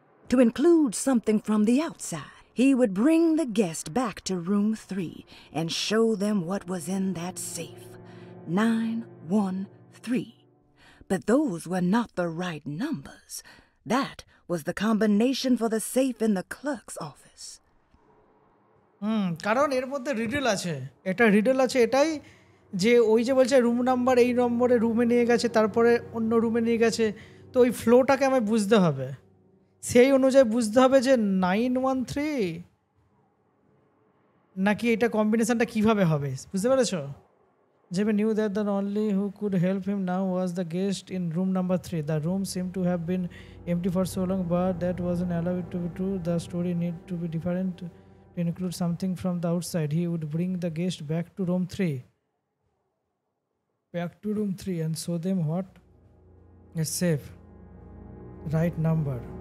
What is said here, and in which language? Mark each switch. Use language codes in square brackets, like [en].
[en] To include something from the outside, he would bring the guest back to room 3 and show them what was in that safe. 913. But those were not the right numbers. That was the combination for the safe in the clerk's office. [bn] কারণ এর মধ্যে riddle আছে, এটা riddle আছে এটাই যে ওই যে বলছে রুম নাম্বার এই নম্বরে রুমে নিয়ে গেছে, তারপরে অন্য রুমে নিয়ে গেছে, তো ওই ফ্লোটাকে আমায় বুঝতে হবে। সেই অনুযায়ী বুঝতে হবে যে 913 নাকি এটা কম্বিনেশানটা কীভাবে হবে, বুঝতে পেরেছো? [en] Jeremy knew that the only who could help him now was the guest in room number 3. The room seemed to have been empty for so long, but that wasn't allowed to be true. The story needed to be different to include something from the outside. He would bring the guest back to room 3. Back to room 3 and show them what? It's safe. Right number.